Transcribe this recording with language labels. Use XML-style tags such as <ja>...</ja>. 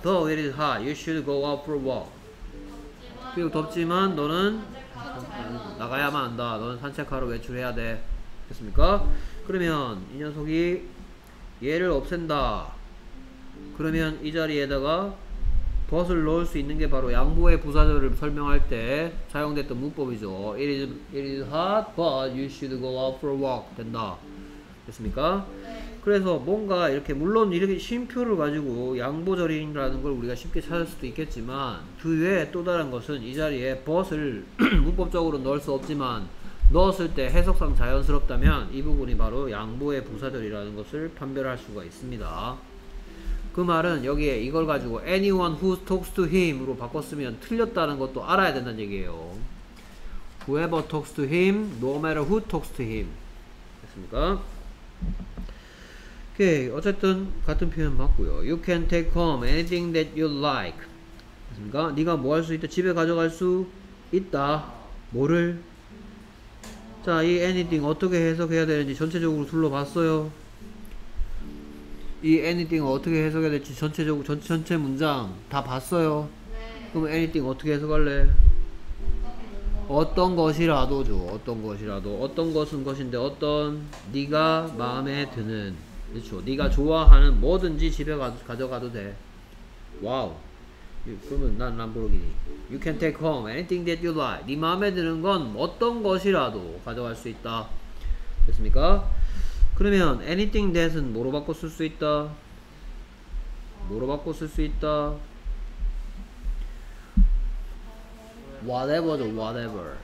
<en>Though it is hard you should go out for a walk.</en> <ko>그리고 덥지만 너는 나가야만 한다. 너는 산책하러 외출해야 돼. 됐습니까? 그러면 이 녀석이 얘를 없앤다. 그러면 이 자리에다가 but을 넣을 수 있는 게 바로 양보의 부사절을 설명할 때 사용됐던 문법이죠.</ko> <en>It is hot but you should go out for a walk.</en> <ko>된다. 됐습니까? 그래서 뭔가 이렇게 물론 이렇게 쉼표를 가지고 양보절이라는 걸 우리가 쉽게 찾을 수도 있겠지만 그 외에 또 다른 것은 이 자리에 but을 문법적으로 넣을 수 없지만 넣었을 때 해석상 자연스럽다면 이 부분이 바로 양보의 부사절이라는 것을 판별할 수가 있습니다. 그 말은 여기에 이걸 가지고</ko> <en>anyone who talks to him</en> <ko>으로 바꿨으면 틀렸다는 것도 알아야 된다는 얘기예요.</ko> <en>Whoever talks to him, no matter who talks to him.</en> <ko>됐습니까? 오케이, 어쨌든 같은 표현 맞고요.</ko> <en>You can take home anything that you like.</en> <ko>됐습니까? 네가 뭐 할 수 있다? 집에 가져갈 수 있다. 뭐를? 자, 이 anything 어떻게 해석해야 되는지 전체적으로 둘러봤어요. 이 anything 어떻게 해석해야 될지 전체적으로 전체 문장 다 봤어요. 네. 그럼 anything 어떻게 해석할래? 어떤 것이라도죠. 어떤 것이라도. 어떤 것은 것인데 어떤 네가 마음에 드는. 그렇죠. 네가 좋아하는 뭐든지 집에 가져가도 돼. 와우. 그러면 난 람보르기니.</ko> <en>You can take home anything that you like.</en> <ko>네 마음에 드는 건 어떤 것이라도 가져갈 수 있다. 됐습니까? 그러면</ko> <en>anything that</en> <ko>은 뭐로 바꿔 쓸 수 있다? 뭐로 바꿔 쓸 수 있다?</ko> <en>whatever죠, whatever.</en>